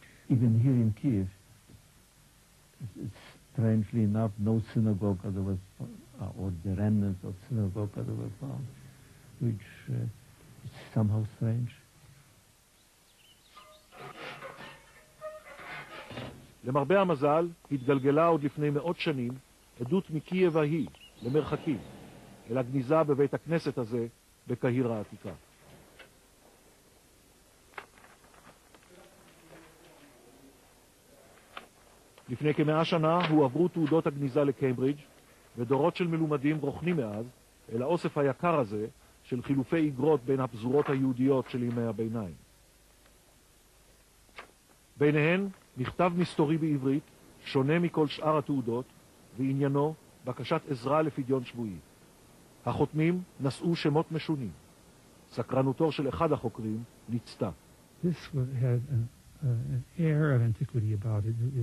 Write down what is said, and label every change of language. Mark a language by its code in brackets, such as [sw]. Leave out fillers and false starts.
[en] Even here in Kiev, strangely enough, no synagogue that was or the remnants of synagogue that were found, which is somehow strange. [he] למרבה המזל, התגלגלה עוד לפני מאות שנים עדות מקייב ההיא למרחקים, אל הגניזה בבית הכנסת הזה בקהיר העתיקה. לפני כמאה שנה הועברו תעודות הגניזה לקיימברידג' ודורות של מלומדים רוכנים מאז אל האוסף היקר הזה של חילופי איגרות בין הפזורות היהודיות של ימי הביניים. ביניהן מכתב מסתורי בעברית, שונה מכל שאר התעודות, ועניינו בקשת עזרה לפדיון שבועי. החותמים נשאו שמות משונים. סקרנותו של אחד החוקרים ניצתה. [en] This had an air of antiquity about it.